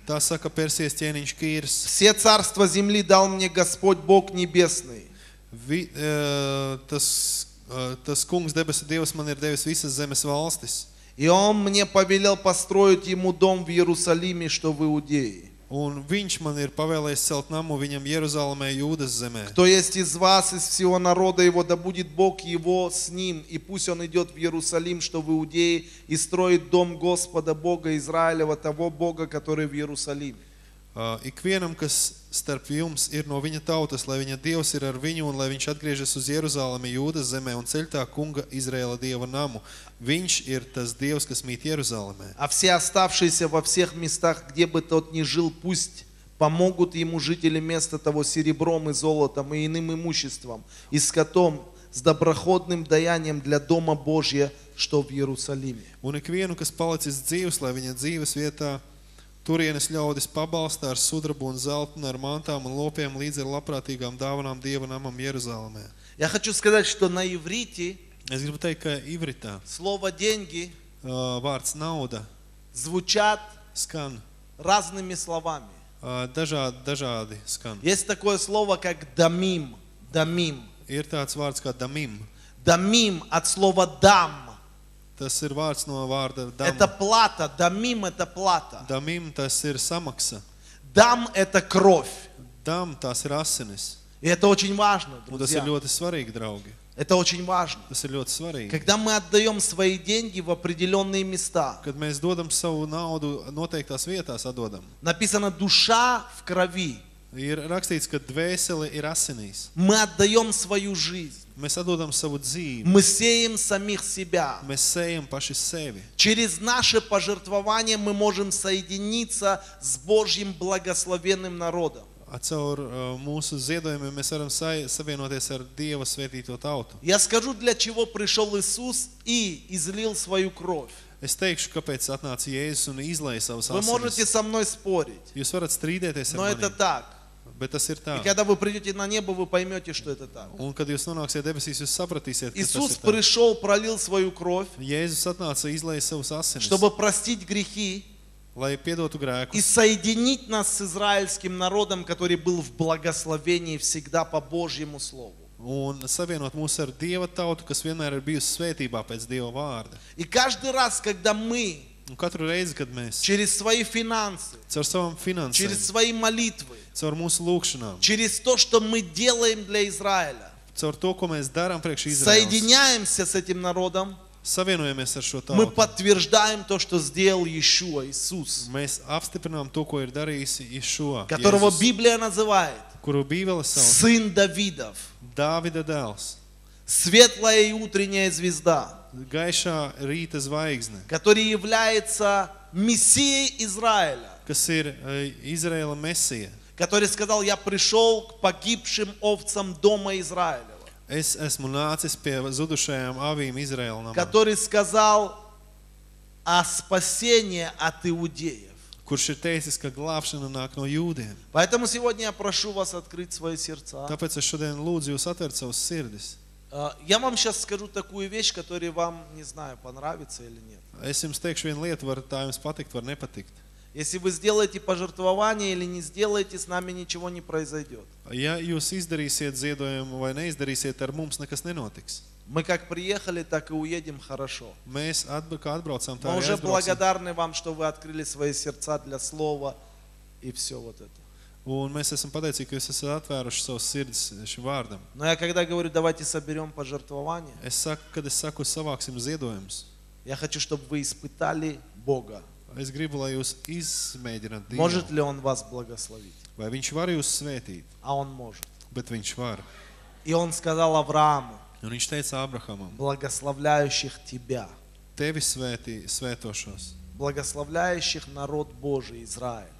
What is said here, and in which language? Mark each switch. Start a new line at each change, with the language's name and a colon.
Latvian: Та сака персия стенинч Кирс.
Russian: Все царства земли дал мне Господь Бог небесный.
Latvian: Ви, тас кунгс дебесу девас ман ир девис висас земес валстис.
Russian: И он мне повелел построить ему дом в Иерусалиме, что в Иудее.
Latvian: Un viņš man ir pavēlējis celt namu viņam Jeruzalemē, Jūdas zemē.
Russian: Кто есть из вас из всего народа его, да будет Бог его с ним, и пусть он идет в Иерусалим, что в Иудее, и строит дом Господа Бога Израилева, того Бога, который в Иерусалиме.
Latvian: Ikvienam, kas starp jums ir no viņa tautas, lai viņa Dievs ir ar viņu un lai viņš atgriežas uz Jeruzalemi, Jūdas zemē un ceļ tā kunga Izraela Dieva namu. Viņš ir tas Dievs, kas mīt Jeruzalemē.
Russian: А все оставшиеся во всех местах, где бы тот ни жил, пусть помогут ему жители места того серебром и золотом и иным имуществом, и скотом, с доброходным даянием для дома Божия, что в Иерусалиме.
Latvian: Un ikvienu, kas palicis dzīvs, lai viņa dzīves vietā Turienes ļaudis pabalstā ar sudrabu un zeltu un ar mantām un lopiem līdz ar labprātīgām dāvanām Dieva namam Jeruzalemē.
Russian: Я хочу сказать, что на иврите.
Latvian: Es gribu teikt, ka ivritā.
Russian: Слово деньги.
Latvian: Vārds nauda.
Russian: Звучат. Скан. Разными словами.
Latvian: Dažādi скан.
Russian: Есть такое слово, как дамим. Дамим.
Latvian: Ir tāds vārds kā дамим.
Russian: Дамим от слова дам.
Latvian: Tas ir vārds no vārda dam.
Russian: Это плата, дамим это плата.
Latvian: Дамим tas ir samaksa.
Russian: Дам это кровь.
Latvian: Дам tas ir asinis.
Russian: И это очень важно, друзья.
Latvian: Un tas ir ļoti svarīgi, draugi.
Russian: Это очень важно.
Latvian: Tas ir ļoti svarīgi.
Russian: Когда мы отдаём свои деньги в определённые места.
Latvian: Kad mēs dodam savu naudu noteiktās vietās atdodam.
Russian: Написано душа в крови.
Latvian: Ir rakstīts, ka dvēsele ir asinīs.
Russian: Мы отдаём свою жизнь.
Latvian: Mēs atdodam savu dzīvi.
Russian: Мы сеем самих себя.
Latvian: Mēs
Russian: сеем
Latvian: paši sevi.
Russian: Через наше пожертвование мы можем соединиться с Божьим благословенным народом.
Latvian: Caur mūsu ziedojumiem mēs varam savienoties ar Dieva svētīto tautu.
Russian: Я скажу, для чего пришёл Иисус и излил свою кровь.
Latvian: Es teikšu, kāpēc atnāca Jēzus un izlēja savas asinis.
Russian: Вы можете со мной спорить.
Latvian: Jūs varat strīdēties ar mani.
Russian: Но это так.
Latvian: Bet tas ir tā.
Russian: И когда вы придете на небо, вы поймете, что это так.
Latvian: Un, kad jūs nonāksiet debesīs, jūs sapratīsiet, ka
Russian: Иисус
Latvian: tas ir
Russian: пришел, пролил свою кровь.
Latvian: Jēzus atnāca, izlēja savus asinis.
Russian: Чтобы простить грехи.
Latvian: Lai piedotu grēkus.
Russian: И соединить нас с израильским народом, который был в благословении всегда по Божьему слову.
Latvian: Un savienot mūs ar Dieva tautu, kas vienmēr ir bijusi svētībā pēc Dieva vārda.
Russian: И каждый раз, когда мы
Latvian: Un katru reizi, kad mēs
Russian: через свои финансы,
Latvian: caur savām finansēm,
Russian: через свои молитвы,
Latvian: caur mūsu lūkšanām,
Russian: через то, что мы делаем для Израиля,
Latvian: caur to, ko mēs darām priekš Izraēlas,
Russian: соединяемся с этим народом,
Latvian: savienojamies ar šo tautu,
Russian: мы подтверждаем то, что сделал Иешуа Иисус,
Latvian: mēs apstiprinām to, ko ir darījis Иешуа,
Russian: которого Библия называет,
Latvian: kuru Bībele sauc,
Russian: сын Давидов,
Latvian: Dāvida dēls,
Russian: светлая и утренняя звезда,
Latvian: Gaišā rīta zvaigzne,
Russian: который является мессией Израиля,
Latvian: kas ir Izraela mesija,
Russian: который сказал, я пришел к погибшим овцам дома Израилева,
Latvian: es esmu nācis pie zudušajām avīm Izraela namā,
Russian: который сказал о спасении от иудеев,
Latvian: kurš ir teicis, ka glābšana nāk no jūdiem,
Russian: поэтому сегодня я прошу вас открыть свои сердца,
Latvian: tāpēc es šodien lūdzu jūs atvērt savus sirdis.
Russian: Я вам сейчас скажу такую вещь, которая вам, не знаю, понравится или нет.
Latvian: Es jums teikšu vienu lietu, var tā jums patikt, var nepatikt.
Russian: Если вы сделаете пожертвование или не сделаете, с нами ничего не произойдет.
Latvian: Ja jūs izdarīsiet ziedojumu vai neizdarīsiet, ar mums nekas nenotiks.
Russian: Мы как приехали, так и уедем хорошо.
Latvian: Mēs kā atbraucam, tā arī atbrauksim.
Russian: Мы уже благодарны вам, что вы открыли свои сердца для слова и все вот это.
Latvian: Un mēs esam pateicīgi, ka jūs esat atvēruši savus sirdis šim vārdam.
Russian: Но я когда говорю, давайте соберём пожертвование.
Latvian: Es saku, kad es saku, savāksim ziedojumus.
Russian: Я хочу, чтобы вы испытали Бога.
Latvian: Es gribu, lai jūs izmēģināt Dievu.
Russian: Может ли он вас благословить?
Latvian: Vai viņš var jūs svētīt?
Russian: А он может.
Latvian: Bet viņš var.
Russian: И он сказал Аврааму.
Latvian: Un viņš teica Abrahamam.
Russian: Благословляющих тебя.
Latvian: Tevi svētī, svētošos.
Russian: Благословляющих народ Божий Израиль.